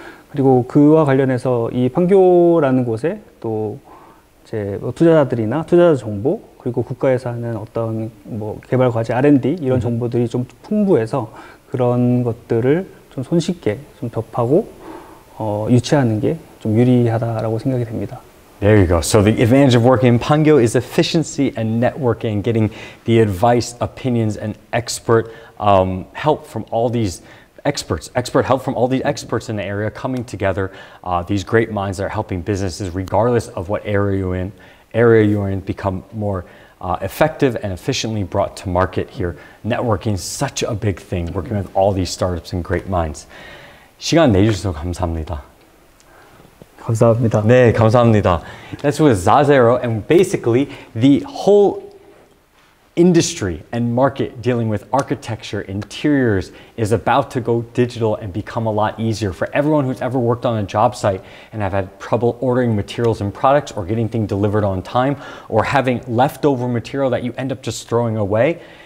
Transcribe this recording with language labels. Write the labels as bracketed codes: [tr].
[ko] 그리고 그와 관련해서 이 판교라는 곳에 또 이제 뭐 투자자들이나 투자자 정보, 그리고 국가에서 하는 어떤 뭐 개발 과제 R&D 이런 정보들이 좀 풍부해서 그런 것들을 좀 손쉽게 좀 접하고 유치하는 게 좀 유리하다라고 생각이 됩니다. [en] There you go. So the advantage of working in Pangyo is efficiency and networking, getting the advice, opinions, and expert help from all these. Expert help from all the experts in the area coming together, these great minds that are helping businesses, regardless of what area you're in, become more effective and efficiently brought to market here. Networking is such a big thing, working with all these startups and great minds. [ko] 시간 내주셔서 감사합니다. 감사합니다. 네, 감사합니다. [en] That's with Zazero, and basically the whole industry and market dealing with architecture, interiors is about to go digital and become a lot easier for everyone who's ever worked on a job site and have had trouble ordering materials and products or getting things delivered on time or having leftover material that you end up just throwing away.